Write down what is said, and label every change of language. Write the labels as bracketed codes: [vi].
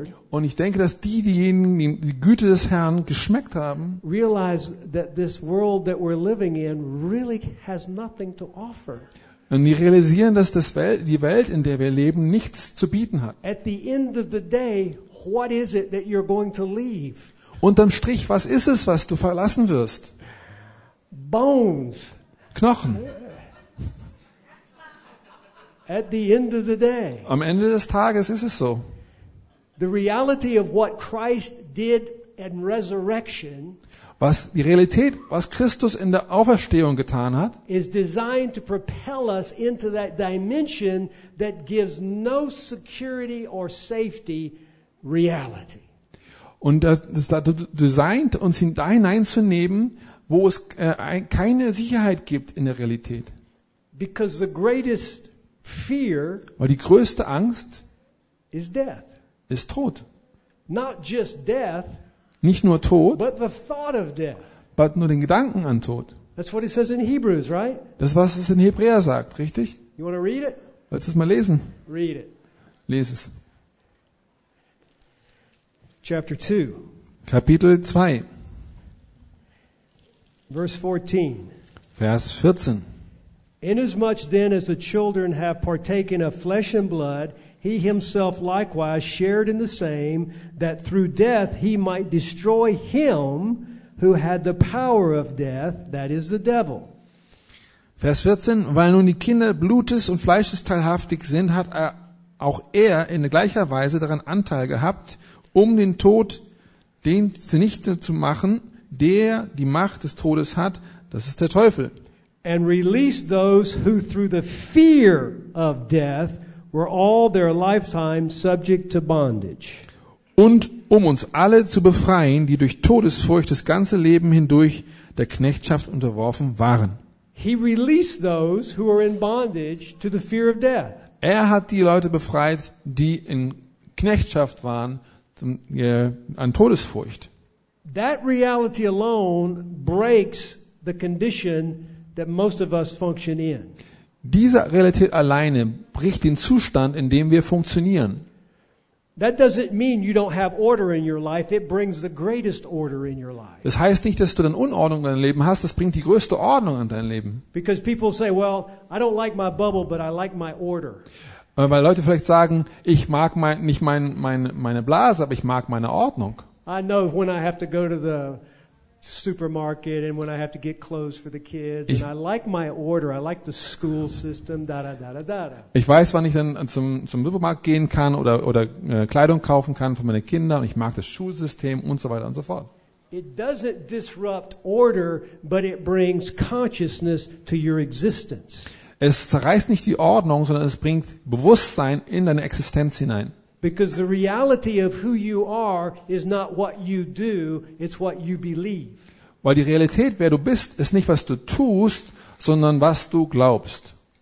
[de] Und ich denke, dass diejenigen, die die Güte des Herrn geschmeckt haben, [en] realize that this world that we're living in really has nothing to offer. [de] Und die realisieren, dass die Welt, in der wir leben, nichts zu bieten hat. [en] At the end of the day, what is it that you're going to leave? [de] Unterm Strich, was ist es, was du verlassen wirst? [en] Bones. [de] Knochen. [en] At the end of the day. [de] Am Ende des Tages ist es so. [en] The reality of what Christ did in resurrection. [de] Was die Realität, was Christus in der Auferstehung getan hat, [en] is designed to propel us into that dimension that gives no security or safety reality. [de] Und das ist dazu designed, uns hineinzunehmen, wo es keine Sicherheit gibt in der Realität. [en] Because the greatest fear, [de] weil die größte Angst [en] is death. [de] Ist Tod. [en] Not just death, [de] nicht nur Tod, [en] but the thought of death. [de] But nur den Gedanken an Tod. [en] That's what it says in Hebrews, right? [de] Das, was es in Hebräer sagt, richtig? [en] You want to read it? [de] Willst du es mal lesen? [en] Read it. [de] Lies es. [en] Chapter 2. [de] Kapitel 2. [en] Verse 14. [de] Vers 14. [en] Inasmuch then as the children have partaken of flesh and blood, he himself likewise shared in the same, that through death he might destroy him who had the power of death, that is the devil. [de] Vers 14, weil nun die Kinder Blutes und Fleisches teilhaftig sind, hat auch er in gleicher Weise daran Anteil gehabt, um den Tod den zunichte zu machen, der die Macht des Todes hat, das ist der Teufel. [en] And release those who through the fear of death were all their lifetime subject to bondage. [de] Und um uns alle zu befreien, die durch Todesfurcht das ganze Leben hindurch der Knechtschaft unterworfen waren. [en] He released those who are in bondage to the fear of death. [de] Er hat die Leute befreit, die in Knechtschaft waren an Todesfurcht. [en] That reality alone breaks the condition that most of us function in. [de] Diese Realität alleine bricht den Zustand, in dem wir funktionieren. [en] That doesn't mean you don't have order in your life. It brings the greatest order in your life. [de] Das heißt nicht, dass du dann Unordnung in deinem Leben hast. Das bringt die größte Ordnung in dein Leben. [en] Because people say, well, I don't like my bubble, but I like my order. [de] Weil Leute vielleicht sagen, ich mag meine Blase, aber ich mag meine Ordnung. [en] I know when I have to go to the supermarket and when I have to get clothes for the kids and I like my order, I like the school system, da da da da da. [de] Ich weiß, wann ich dann zum Supermarkt gehen kann oder Kleidung kaufen kann für meine Kinder und ich mag das Schulsystem und so weiter und so fort. [en] It doesn't disrupt order, but it brings consciousness to your existence. [de] Es zerreißt nicht die Ordnung, sondern es bringt Bewusstsein in deine Existenz hinein. [en] Because the reality of who you are is not what you do, it's what you believe. [de] Weil die Realität, wer du bist, ist nicht, was du tust, sondern was du glaubst.